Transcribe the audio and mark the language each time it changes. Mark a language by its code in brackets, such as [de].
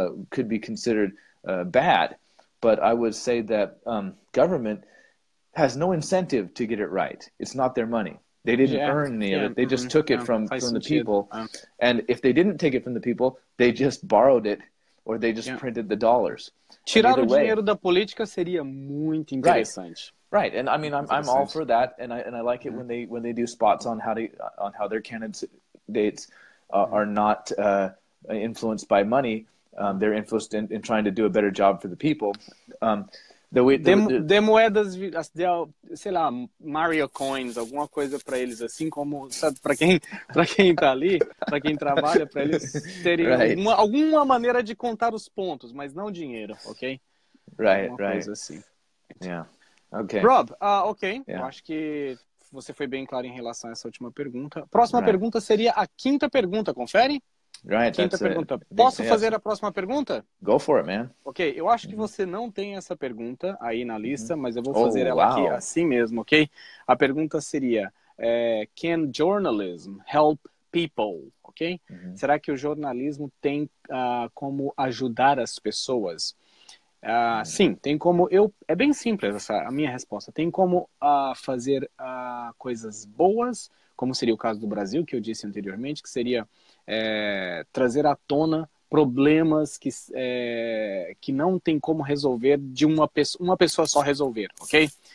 [en] could be considered bad. But I would say that government has no incentive to get it right. It's not their money. They didn't earn any of it. They just took it from the people. And if they didn't take it from the people, they just borrowed it or they just printed the dollars. [pt] Tirar o dinheiro da política seria muito interessante. [en] Right, and I mean I'm all for that, and I like it when they do spots on how their candidates are not influenced by money. They're influenced in trying to do a better job for the people. [pt] De moedas, sei lá, Mario coins, alguma coisa para eles, assim como para quem está ali, para quem trabalha, para eles terem alguma maneira de contar os pontos, mas não dinheiro, ok? [en] Right. [pt] Coisa assim. [en] Yeah. Okay. [pt] Rob, eu acho que você foi bem claro em relação a essa última pergunta. Próxima pergunta seria a quinta pergunta, confere? Quinta pergunta. Posso fazer a próxima pergunta? [en] Go for it, man. [pt] Ok, eu acho que você não tem essa pergunta aí na lista, mas eu vou fazer ela aqui assim mesmo, ok? A pergunta seria, [en] can journalism help people, [pt] ok? Uhum. Será que o jornalismo tem como ajudar as pessoas? Sim, tem como. É bem simples essa a minha resposta. Tem como fazer coisas boas, como seria o caso do Brasil, que eu disse anteriormente, que seria trazer à tona problemas que não tem como resolver de uma pessoa só resolver, ok?